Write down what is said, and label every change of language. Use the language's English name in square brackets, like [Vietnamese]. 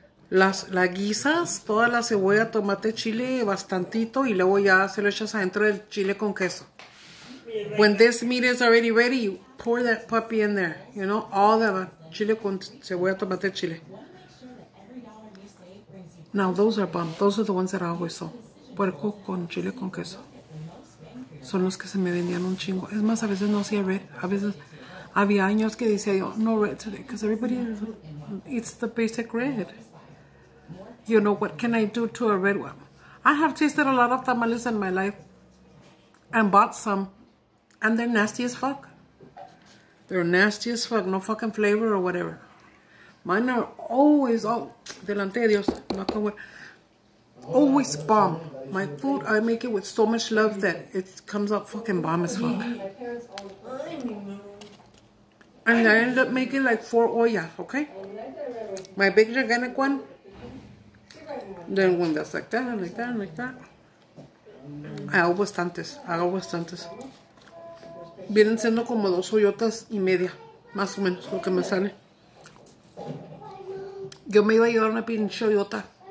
[Spanish] Las guisas, toda la cebolla, tomate, chile, bastantito, y luego ya se lo echas adentro del chile con queso. [English] When this meat is already ready, you pour that puppy in there. You know, all the [Spanish] chile con cebolla, tomate, chile. [English] Now, those are bomb. Those are the ones that I always saw. [Spanish] Puerco con chile con queso. Son los que se me vendían un chingo. Es más, a veces no hacía red. A veces había años que decía yo, [English] no red today. Because everybody eats the basic red. You know, what can I do to a red one? I have tasted a lot of tamales in my life. And bought some. And they're nasty as fuck. They're nasty as fuck. No fucking flavor or whatever. Mine are always, oh, [Spanish] delante de Dios. [English] Knock on wood. Always bomb. My food, I make it with so much love that it comes out fucking bomb as fuck. And I end up making like 4 ollas, okay? My big gigantic one. Then one that's like that, and like that, and like that. [Spanish] I hago bastantes. Vienen siendo como 2 ollotas y media, más o menos, lo que me sale. Yo me iba a llevar una pinche ollota.